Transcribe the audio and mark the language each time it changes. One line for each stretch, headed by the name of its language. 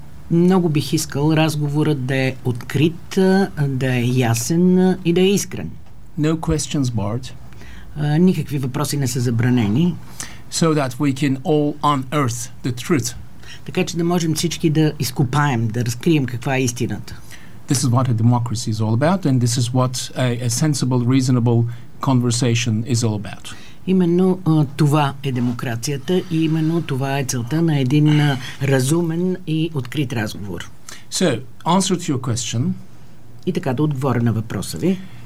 Bulgarian: Много бих искал разговорът да е открит, да е ясен и да е искрен.
English: No questions barred.
Bulgarian: Никакви въпроси не са забранени.
English: So that we can all unearth the truth.
Bulgarian: Така че да можем всички да изкопаем, да разкрием каква е истината.
English: This is what a democracy is all about and this is what a sensible, reasonable conversation is all about.
Bulgarian: Именно това е демокрацията и именно това е целта на един разумен и открит разговор.
English: So, answer to your question.
Bulgarian: И така да отговоря на въпроса ви.